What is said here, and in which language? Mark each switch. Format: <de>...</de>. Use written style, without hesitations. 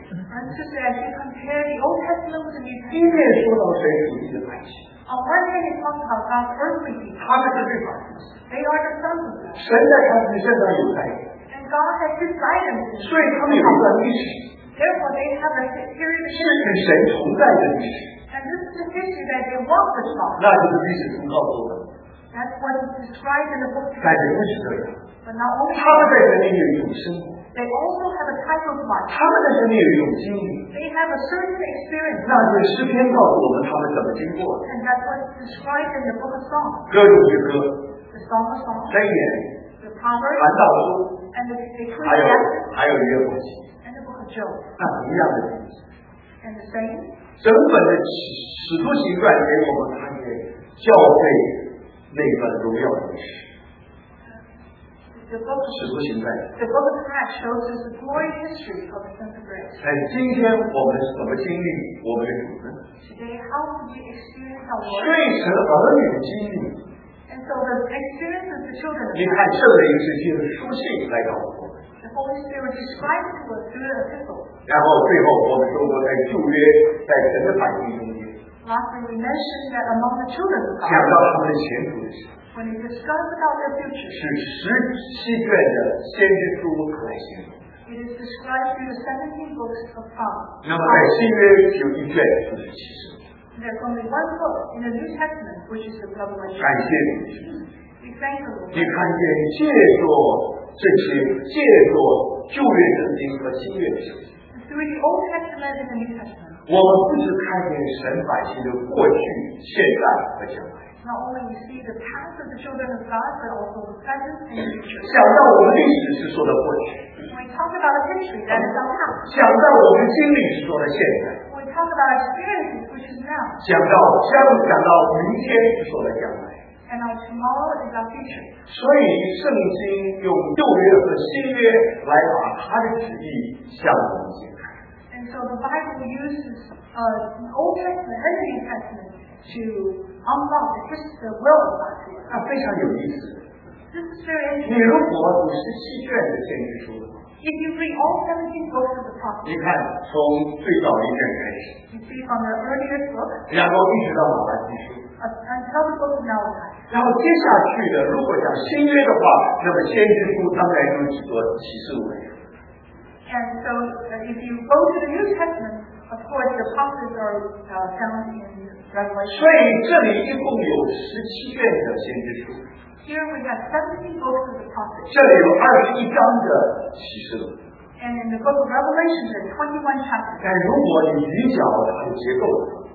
<en>，And to say, as you compare the Old Testament with the New Testament,</en> <zh>一面说到神属地的百姓</zh> <en>，On one hand, it talks about God's earthly people.</en> <zh>他们是律法之子</zh> <en>，They are the sons of God.</en> <zh>神在他们身上有带领</zh> <en>，And God has His guidance.</en> <zh>所以他们有一段历史</zh> <en>，Therefore, they have a period of history.</en> <zh>是与神同在的历史</zh> <en>，And And this is the picture that they walk the talk.</en> <zh>那就是历史中告诉我们。</zh> <en>That's what is described in the book.</en> <zh>但也不是这样。</zh> <en>But not only.</en> <zh>他们在神里有永生。</zh> <en>They also have a type of life.</en> <zh>他们在神里有永经历。</zh> <en>They have a certain experience.</en> <zh>那就是诗篇告诉我们他们怎么经过的。</zh> <en>And that's what is described in the book of Psalms.</en> <zh>歌中的歌。</zh> <en>The Song of Songs.</en> <zh>箴言。</zh> <en>The Proverbs.</en> <zh>传道书。</zh> <en>And the Ecclesiastes.</en> <zh>还有约伯记。</zh> <en>And the book of Job.</en> <zh>那同样的经历。</zh> <en>And the same.</en> <zh>整本的使徒行传给我们看见教会那份荣耀的事。使徒行传。</zh> <en>The book of Acts shows us the glorious history of the Saints of Grace.</en> <zh>哎，今天我们怎么经历我们的主呢</zh> <en>？Today, how do we experience our Lord?</en> <zh>睡神儿女的经历。</zh> <en>And so the experience of the children.</en> <zh>你看圣灵是借着书信来告诉我们。</zh> <en>The Holy Spirit describes to us through the epistle.</en> <zh>然后最后我们说过，在旧约，在神的百姓中间，</zh> <en>Lastly, we mentioned that among the children of God,</en> <zh>讲到他们的前途的时候，</zh> <en>When you discuss about their future,</en> <zh>是十七卷的先知书可以形容。</zh> <en>It is described through the 17 books of Psalms.</en> <zh>那么在新约有一卷就是启示录。</zh> <en>There's only one book in the New Testament which is the Revelation.</en> <zh>感谢主。</zh> <en>We thank the Lord.</en> <zh>你看见借着这些，借着旧约圣经和新约圣经。</zh> <en>Through the Old Testament and the New Testament.</en> <zh>我们不只看见神百姓的过去、现在和将来。</zh> <en>Not only you see the past of the children of God, but also the present and the future.</en> <zh>想到我们历史是说的过去。</zh> <en>We talk about the history that is the past.</en> <zh>想到我们经历是说的现在。</zh> <en>We talk about experience which is now.</en> <zh>想到明天是说的将来。</zh> <en>And our tomorrow is our future.</en> <zh>所以圣经用旧约和新约来把他的旨意向我们解开。</zh> <en>And so the Bible uses Old Testament and New Testament to unlock the history of the will of God.</en> <zh>那非常有意思。</zh> <en>This is very interesting.</en> <zh>你如果读十七卷的先知书的话。</zh> <en>If you read all 17 books of the prophets,</en> <zh>你看从最早一卷开始。</zh> <en>You see from the earliest book.</en> <zh>然后一直到马太福音。然后接下去的，如果讲新约的话，那么先知书当然有许多启示文。</zh> <en>And so, if you go to the New Testament, of course the prophets are found in Revelation.</en> <zh>所以这里一共有十七卷的先知书。</zh> <en>Here we have 17 books of the prophets.</en> <zh>这里有二十一章的启示文。</zh> <en>And in the book of Revelation, there are 21 chapters.</en> <zh>但如果你理解了它的结构。</zh>